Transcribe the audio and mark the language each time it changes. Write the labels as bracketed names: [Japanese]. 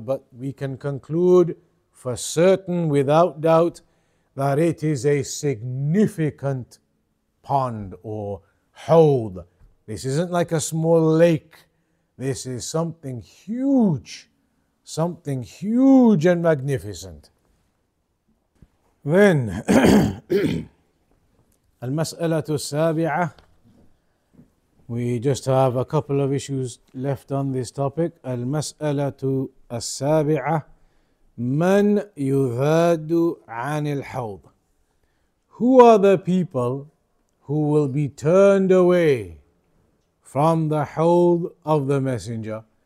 [English] But we can conclude for certain, without doubt, that it is a significant pond or hold. This isn't like a small lake. This is something huge. Something huge and magnificent. [Arabic] Then, المسألة السابعة. [English] We just have a couple of issues left on this topic. [Arabic] المسألة السابعة. من يذاد عن الحوض. [English] Who are the people who will be turned away from the hold of the messenger?